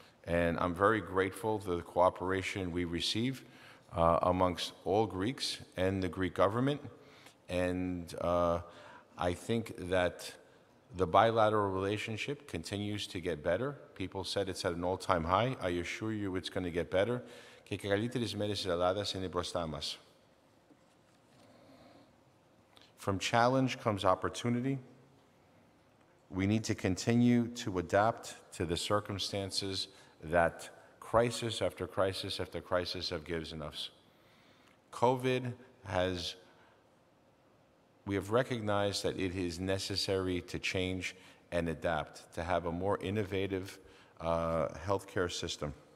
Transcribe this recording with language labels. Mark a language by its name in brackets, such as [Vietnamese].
[English] And I'm very grateful for the cooperation we receive amongst all Greeks and the Greek government. And I think that the bilateral relationship continues to get better. People said it's at an all-time high. I assure you it's going to get better. [Greek] Και οι καλύτερες μέρες της Ελλάδας είναι μπροστά μας. [English] From challenge comes opportunity. We need to continue to adapt to the circumstances that crisis after crisis after crisis have given us. COVID has, we have recognized that it is necessary to change and adapt, to have a more innovative healthcare system.